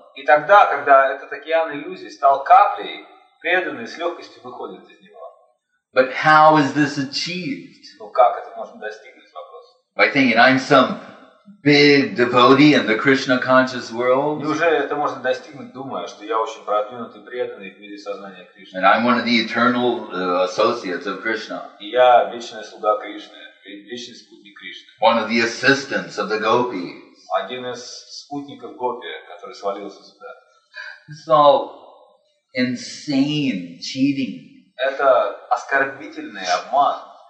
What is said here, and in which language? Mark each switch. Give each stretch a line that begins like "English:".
Russian: И тогда, когда этот океан иллюзий стал каплей, преданный с легкостью выходит из него.
English: But how is this achieved?
Russian: Ну как это можно достигнуть, вопрос?
English: By thinking I'm some big devotee in the Krishna conscious world.
Russian: Неужели это можно достигнуть, думая, что я очень продвинутый преданный в мире сознания Кришны?
English: And I'm one of the eternal associates of Krishna.
Russian: И я вечный слуга Кришны, вечный спутник Кришны.
English: One of the assistants of the gopis.
Russian: Один из спутников гопи, который свалился сюда.
English: It's all insane cheating.
Russian: Это оскорбительный обман.